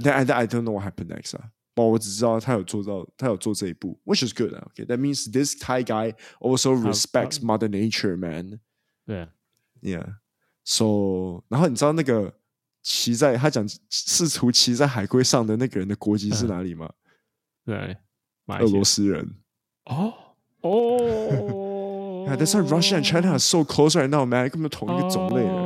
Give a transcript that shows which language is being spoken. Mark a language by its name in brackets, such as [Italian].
[English] then I don't know what happened next、啊、but [Chinese] 我只知道他有做这一步 [English] which is good、啊、okay, that means this Thai guy also respects mother nature man [Chinese] 对 [English] yeah so [Chinese] 然后你知道那个骑在他讲试图骑在海龟上的那个人的国籍是哪里吗对俄罗斯人哦哦 [English] Yeah, that's why Russia and China are so close right now, man. [Chinese] 根本同一个种类。